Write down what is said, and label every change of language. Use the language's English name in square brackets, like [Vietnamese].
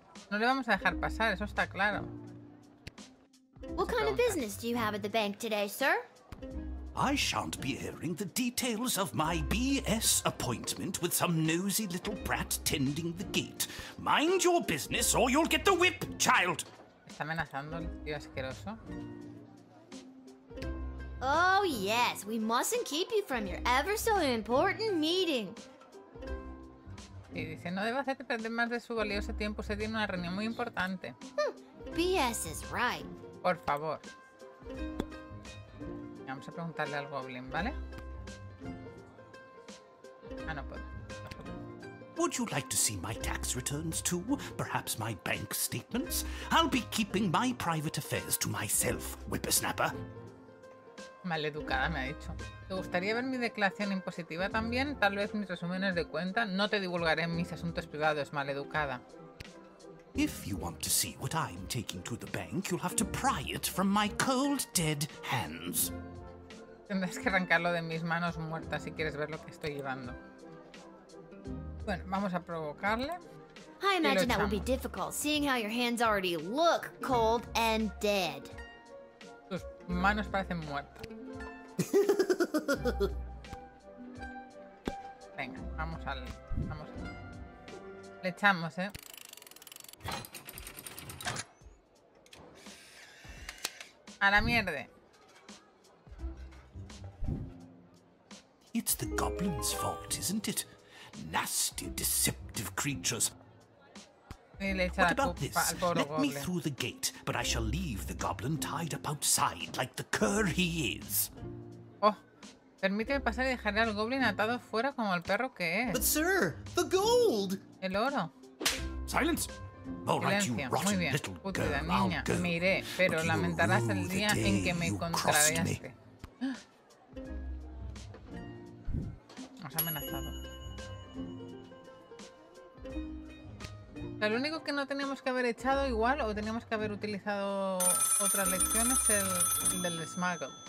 [Spanish] No le vamos a dejar pasar, eso está claro. [English] What kind of business do you have at the bank today, sir? I shan't be hearing the details of my BS appointment with some nosy little brat tending the gate. Mind your business or you'll get the whip, child! [Spanish] ¿Está amenazando el tío asqueroso? [English] Oh, yes. We mustn't keep you from your ever so important meeting. [Spanish] Y dice, no debo hacerte perder más de su valioso tiempo. Se tiene una reunión muy importante. [English] BS is right. [Spanish] Por favor. Vamos a preguntarle al Goblin, ¿vale? Ah, no puedo. [English] Would you like to see my tax returns too? Perhaps my bank statements? I'll be keeping my private affairs to myself, whippersnapper. [Spanish] Maleducada, me ha dicho. ¿Te gustaría ver mi declaración impositiva también? Tal vez mis resúmenes de cuenta. No te divulgaré mis asuntos privados, maleducada. [English] If you want to see what I'm taking to the bank, you'll have to pry it from my cold, dead hands. [Spanish] Tendrás que arrancarlo de mis manos muertas si quieres ver lo que estoy llevando. Bueno, vamos a provocarle. [English] I imagine that would be difficult, seeing how your hands already look cold and dead. [Spanish] Tus manos parecen muertas. Venga, vamos al. Le echamos, ¿eh? A la mierda. [English] It's the goblin's fault, isn't it? Nasty, deceptive creatures. What about this? Let me through the gate, but I shall leave the goblin tied up outside like the cur he is. [Spanish] Oh, permíteme pasar y dejaré al goblin atado fuera como el perro que es. [English] But sir, the gold! [Spanish] El oro. [English] Silence! All right, you rotten little girl, I'll go. [Spanish] Me iré, pero lamentarás el día en que me contrariaste. Nos ha amenazado. Lo único que no teníamos que haber echado igual o teníamos que haber utilizado otra lección es el del Smuggle.